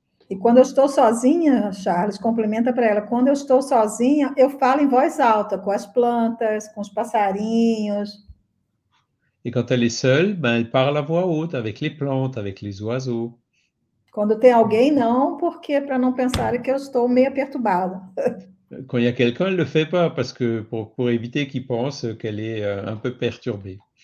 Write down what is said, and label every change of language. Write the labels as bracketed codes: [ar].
[pt] E quando eu estou sozinha, Charles, complementa para ela, quando eu estou sozinha, eu falo em voz alta com as plantas, com os passarinhos. [fr] Et quand elle est seule, ben, elle parle à voix haute avec les plantes, avec les oiseaux. [pt] Quando tem alguém, não, porque para não pensar que eu estou meio perturbada. [fr] Quand il y a quelqu'un, elle ne le fait pas parce que pour éviter qu'il pense qu'elle est un peu perturbée.